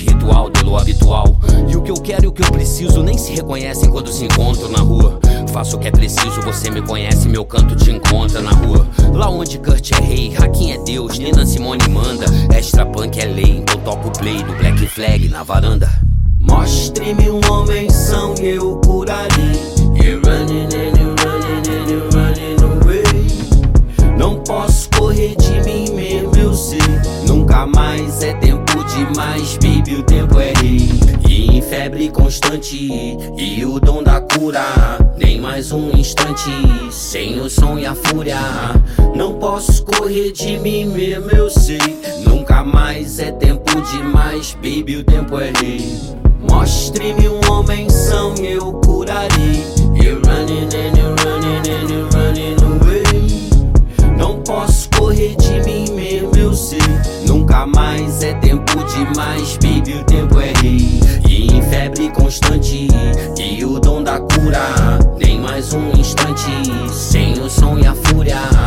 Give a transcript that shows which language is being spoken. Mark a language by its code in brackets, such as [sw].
[pt] Ritual de lua habitual. E o que eu quero e o que eu preciso nem se reconhecem quando se encontram na rua. Faço o que é preciso, você me conhece, meu canto te encontra na rua. Lá onde Kurt é rei, Rakim é Deus, Nina Simone manda. Extra punk é lei, então toco o play do Black Flag na varanda. Mostre-me um homem são e eu curarei. [en] You're running and you're running and you're running away. [pt] Não posso correr de mim mesmo, eu sei. Nunca mais é tempo demais, baby, o tempo é rei. E em febre constante, e o dom da cura. Nem mais um instante, sem o som e a fúria. Não posso correr de mim mesmo, eu sei. Nunca mais é tempo demais, baby, o tempo é rei. Mostre-me um homem são e eu curarei. [en] You're running and you're running and you're running away. [pt] Não posso correr de mim mesmo, eu sei. Nunca mais é tempo demais, baby, o tempo é rei. E em febre constante, e o dom da cura. Nem mais um instante, sem o som e a fúria.